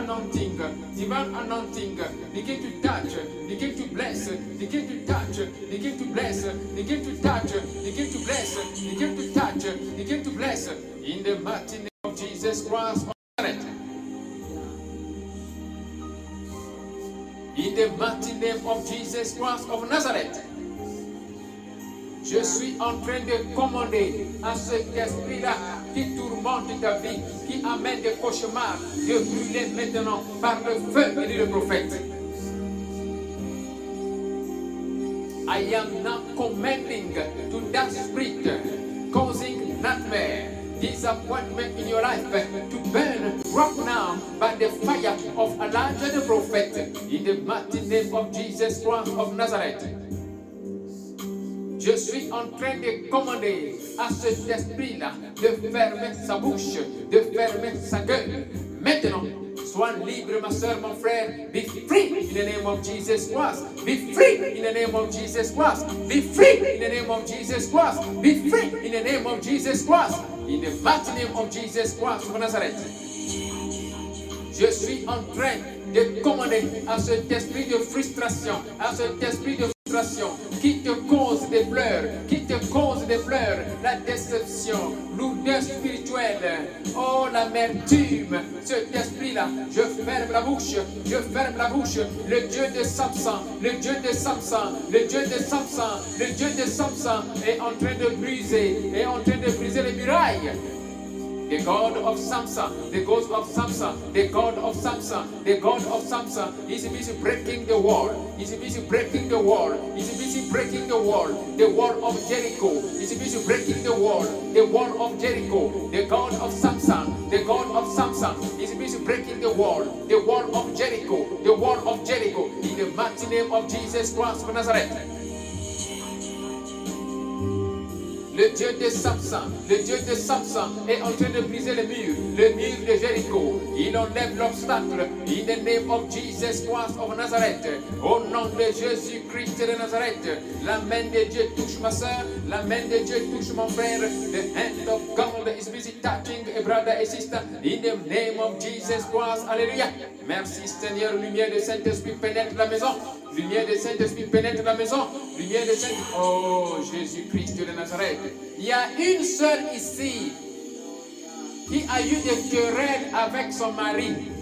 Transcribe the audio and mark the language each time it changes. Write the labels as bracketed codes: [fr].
[en] Divine anointing, begin to touch, begin to bless, begin to touch, begin to bless, begin to touch, begin to bless, begin to touch, begin to bless. In the mighty name of Jesus Christ of Nazareth. In the mighty name of Jesus Christ of Nazareth. [fr] Je suis en train de commander à cet esprit-là qui tourmente ta vie, qui amène des cauchemars, de brûler maintenant par le feu, et dit le prophète. [en] I am now commanding to that spirit causing nightmare, disappointment in your life to burn right now by the fire of Elijah the prophet in the mighty name of Jesus Christ of Nazareth. [fr] Je suis en train de commander à cet esprit-là de fermer sa bouche, de fermer sa gueule. Maintenant, sois libre, ma soeur, mon frère. [en] Be free in the name of Jesus Christ. Be free in the name of Jesus Christ. Be free in the name of Jesus Christ. Be free in the name of Jesus Christ. In the mighty name of Jesus Christ of Nazareth. [fr] Je suis en train de commander à cet esprit de frustration, à cet esprit de frustration qui te cause des pleurs, qui te cause des pleurs, la déception, l'odeur spirituelle, oh l'amertume, cet esprit-là, je ferme la bouche, je ferme la bouche, le Dieu de Samson, le Dieu de Samson, le Dieu de Samson, le Dieu de Samson est en train de briser, est en train de briser les murailles. [en] The God of Samson, the God of Samson, the God of Samson, the God of Samson is busy breaking the wall, is busy breaking the wall, is busy breaking the wall of Jericho, is busy breaking the wall of Jericho, the God of Samson, the God of Samson is busy breaking the wall of Jericho, the wall of Jericho, in the mighty name of Jesus Christ of Nazareth. [fr] Le Dieu de Samson, le Dieu de Samson est en train de briser le mur de Jéricho. Il enlève l'obstacle, [en] in the name of Jesus Christ of Nazareth. [fr] Au nom de Jésus Christ de Nazareth, la main de Dieu touche ma soeur, la main de Dieu touche mon frère. [en] The hand of God is busy touching a brother and sister, in the name of Jesus Christ, alléluia. [fr] Merci Seigneur, lumière de Saint-Esprit pénètre la maison. Lumière de Saint-Esprit pénètre la maison. Lumière de Saint-Esprit. Oh, Jésus-Christ de Nazareth. Il y a une sœur ici qui a eu des querelles avec son mari.